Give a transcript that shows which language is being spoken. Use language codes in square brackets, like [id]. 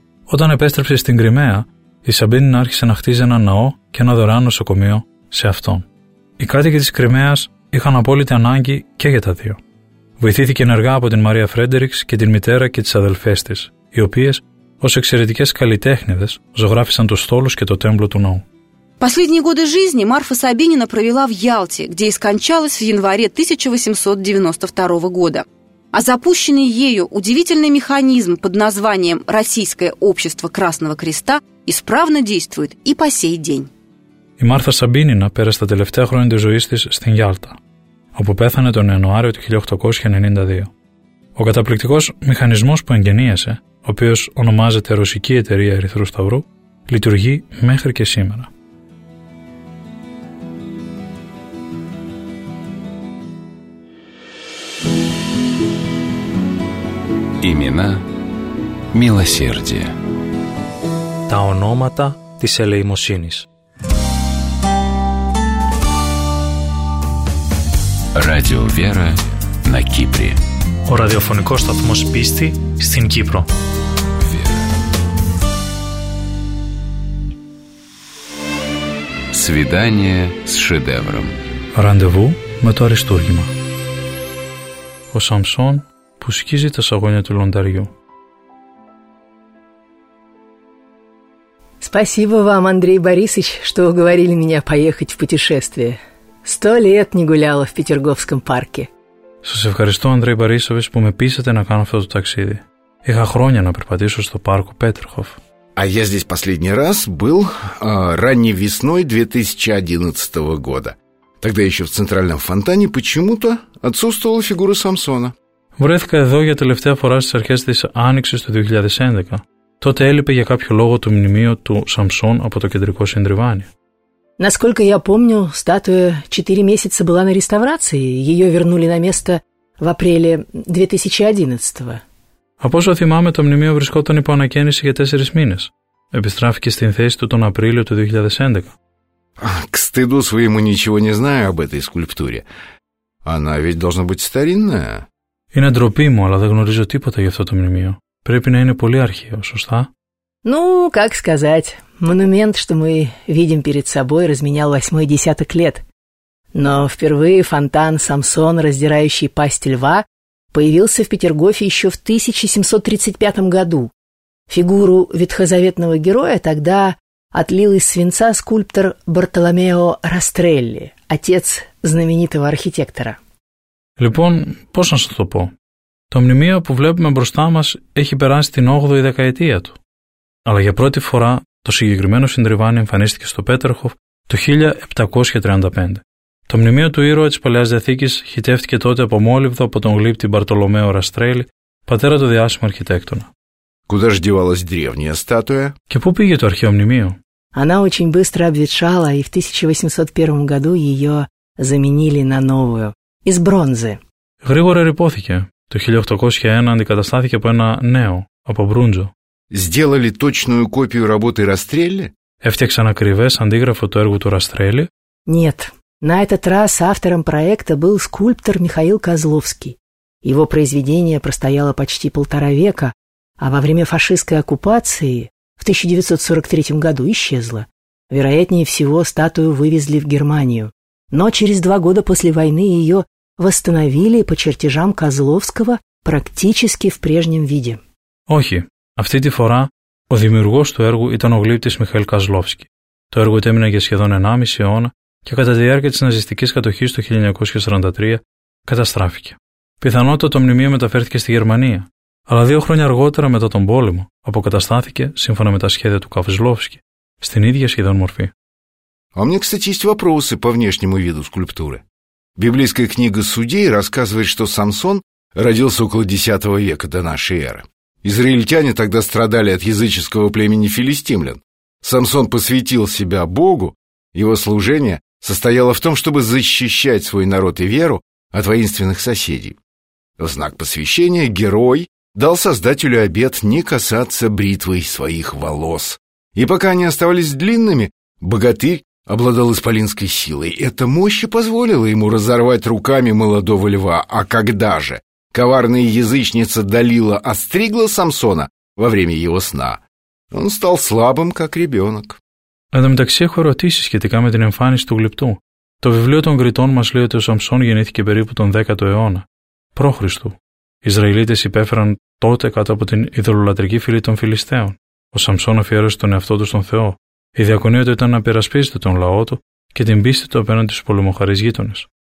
[el] Όταν επέστρεψε στην Κρυμαία, η Σαμπίνινα άρχισε να χτίζει ένα ναό και ένα δωρεάν νοσοκομείο σε αυτόν. Οι κάτοικοι της Κρυμαίας είχαν απόλυτη ανάγκη και για τα δύο. Βοηθήθηκε ενεργά από την Μαρία Φρέντερικς και την μητέρα και τις αδελφές της, οι οποίες, ως εξαιρετικές καλλιτέχνηδες, ζωγράφισαν το στόλος και το τέμπλο του ναού. [ru] Последние годы жизни Марфа Сабинина провела в Ялте, где и скончалась в январе 1892 года. А запущенный ею удивительный механизм под названием «Российское общество Красного Креста» исправно действует и по сей день. [el] Η Μάρθα Σαμπίνινα πέρασε τα τελευταία χρόνια της ζωής της στην Γιάλτα, όπου πέθανε τον Ιανουάριο του 1892. Ο καταπληκτικός μηχανισμός που εγγενίασε, ο οποίος ονομάζεται Ρωσική Εταιρεία Ερυθρού Σταυρού, λειτουργεί μέχρι και σήμερα. [ru] Имена милосердия. [el] Τα ονόματα της ελεημοσύνης. [ru] Радио Вера на Кипре. [el] Ο ραδιοφωνικός σταθμός πίστη στην Κύπρο. [ru] Свидание с шедевром. [el] Ραντεβού με το αριστούργημα. Ο Σαμσόν που σκίζει τα σαγόνια του λονταριού. [ru] Спасибо вам, Андрей Борисович, что уговорили меня поехать в путешествие. 100 лет не гуляла в Петерговском парке. [el] Σας ευχαριστώ, Андрей Борисович, που με πείσατε να κάνω αυτό το ταξίδι. Είχα χρόνια να περπατήσω στο πάρκο Πέτερχοφ. [ru] А я здесь последний раз был ранней весной 2011 года. Тогда еще в Центральном фонтане почему-то отсутствовала фигура Самсона. [el] Βρέθηκα εδώ για τελευταία φορά στις αρχές της Άνοιξης του 2011. Τότε έλειπε για κάποιο λόγο το μνημείο του Σαμσόν από το κεντρικό συντριβάνι. [ru] Насколько я помню, статуя 4 месяца была на реставрации. Ее вернули на место в апреле 2011. [el] Από όσο θυμάμαι, το μνημείο βρισκόταν υπό ανακαίνιση για 4 μήνες. Επιστράφηκε στην θέση του τον Απρίλιο του 2011. [ru] К стыду своему ничего не знаю об этой скульптуре. Она ведь должна быть старинная. [el] Είναι ντροπή μου, αλλά δεν γνωρίζω τίποτα για αυτό το μνημείο. Πρέπει να είναι πολύ αρχαίο, σωστά? [ru] Ну, как сказать, монумент, что мы видим перед собой, разменял 8-й десяток лет. Но впервые фонтан Самсон, раздирающий пасть льва, появился в Петергофе еще в 1735 году. Фигуру ветхозаветного героя тогда отлил из свинца скульптор Бартоломео Растрелли, отец знаменитого архитектора. [el] Λοιπόν, πώς να σας το πω. Το μνημείο που βλέπουμε μπροστά μας έχει περάσει την 8η δεκαετία του. Αλλά για πρώτη φορά το συγκεκριμένο συντριβάνι εμφανίστηκε στο Πέτερχοφ το 1735. Το μνημείο του ήρωα της Παλαιάς Διαθήκης χιτεύτηκε τότε από μόλυβδο από τον γλύπτη Μπαρτολομέο Ραστρέλη, πατέρα του διάσημου αρχιτέκτονα. [ru] Куда же девалась древняя статуя? [el] Και πού πήγε το αρχαίο μνημείο? [ru] Она очень быстро обветшала, и в 1801 году ее заменили на новую, из бронзы. [el] Γρήγορα ρυπώθηκε. Το 1801 αντικαταστάθηκε από ένα νέο, από μπρούντζο. [ru] Сделали точную копию работы Растрелли? [el] Έφτιαξαν ακριβές αντίγραφο του έργου του Растрелли? [ru] Нет. На этот раз автором проекта был скульптор Михаил Козловский. Его произведение простояло почти полтора века, а во время фашистской оккупации в 1943 году исчезло. Вероятнее всего, статую вывезли в Германию. Но через два года после войны ее восстановили по чертежам Козловского практически в прежнем виде. [el] Όχι, αυτή τη φορά ο δημιουργός του έργου ήταν ο γλύπτης Μιχαήλ Козловский. Το έργο τέμεινε για σχεδόν 1,5 αιώνα και κατά τη διάρκεια της ναζιστικής κατοχής το 1943 καταστράφηκε. Πιθανότατα το μνημείο μεταφέρθηκε στη Γερμανία. Αλλά δύο χρόνια αργότερα μετά τον πόλεμο, αποκαταστάθηκε, σύμφωνα με τα σχέδια του Козловский, στην ίδια σχεδόν μορφή. [ru] А мне, кстати, есть вопросы по внешнему виду скульптуры. Библейская книга Судей рассказывает, что Самсон родился около 10 века до нашей эры. Израильтяне тогда страдали от языческого племени филистимлян. Самсон посвятил себя Богу, его служение состояло в том, чтобы защищать свой народ и веру от воинственных соседей. В знак посвящения герой дал создателю обет не касаться бритвой своих волос. И пока они оставались длинными, богатырь обладал исполинской силой. Эта мощь позволила ему разорвать руками молодого льва. А когда же коварная язычница Далила остригла Самсона во время его сна, он стал слабым, как ребенок. [el] Εδώ μεταξύ έχω ερωτήσει σχετικά με την εμφάνιση του γλυπτού. Το βιβλίο των Κριτών μας λέει ότι ο Σαμσόν γεννήθηκε περίπου τον 10ο αιώνα, π.Χ. Οι Ισραηλίτες υπέφεραν τότε κάτω από την ιδωλολατρική φυλή των Φιλιστέων. Ο Σαμσόν αφιέρωσε τον εαυτό του στον Θεό. Η διακονία του ήταν να περασπίζεται τον λαό του και την πίστη του απέναντι στους πολεμοχαρείς γείτονες.